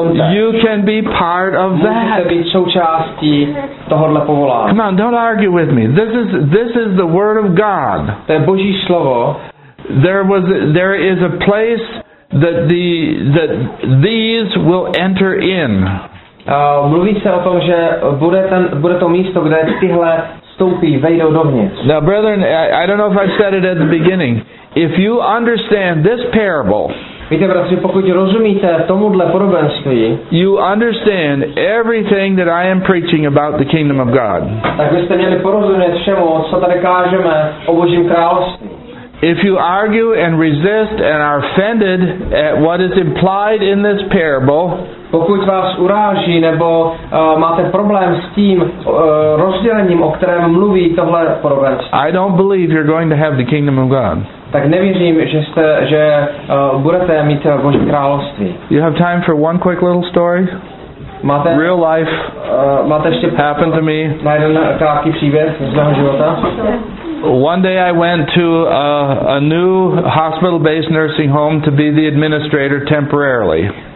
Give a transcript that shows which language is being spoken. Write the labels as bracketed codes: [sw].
[en] You can be part of that. Come on, don't argue with me. This is the word of God. There is a place that these will enter in. [cs] Mluví se o tom, že bude to místo, kde tyhle vstoupí, vejdou dovnitř. [en] Now, brethren, I don't know if I said it at the beginning. If you understand this parable, [cs] víte, bratři, pokud rozumíte tomuhle podobenství, [en] you understand everything that I am preaching about the kingdom of God. [cs] Tak byste měli porozumět všemu, co tady kážeme o Božím království. [en] If you argue and resist and are offended at what is implied in this parable, [cs] pokud vás uráží nebo máte problém s tím rozdělením, o kterém mluví tohle podobenství, [en] I don't believe you're going to have the kingdom of God. [cs] Tak nevěřím, že budete mít Boží království. [en] You have time for one quick little story? [cs] Máte [en] real life? [cs] Máte ještě [en] happened to me? [cs] Na jeden krátký příběh z mého života. [en] One day I went to a new hospital-based nursing home to be the administrator temporarily.